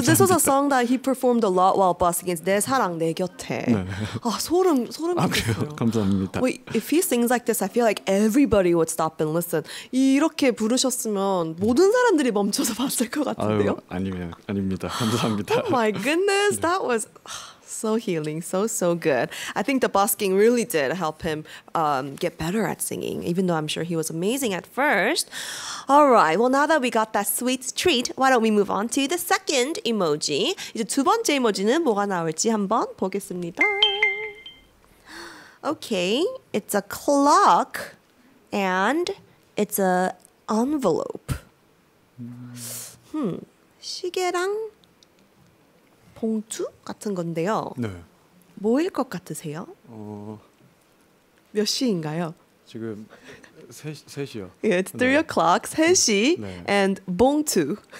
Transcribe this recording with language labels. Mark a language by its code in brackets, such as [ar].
[en] So this was a song that he performed a lot while busking. It's 내 사랑 내 곁에. [ko] 네. 아 소름 끼쳤어요. 감사합니다. [en] Wait, if he sings like this, I feel like everybody would stop and listen. [ko] 이렇게 부르셨으면 모든 사람들이 멈춰서 봤을 것 같은데요? 아닙니다. 감사합니다. [en] Oh my goodness, 네. that was So healing, so, so good. I think the busking really did help him get better at singing, even though I'm sure he was amazing at first. All right, well, now that we got that sweet treat, why don't we move on to the second emoji. [ko] 이제 두 번째 이모지는 뭐가 나올지 한번 보겠습니다. [en] Okay, it's a clock and it's a envelope. [ko] 시계랑 봉투 같은 건데요. 네. 뭐일 것 같으세요? 몇 시인가요? 지금 3시요. [en] Yeah, it's 3 o'clock, 3시 네. and 봉투.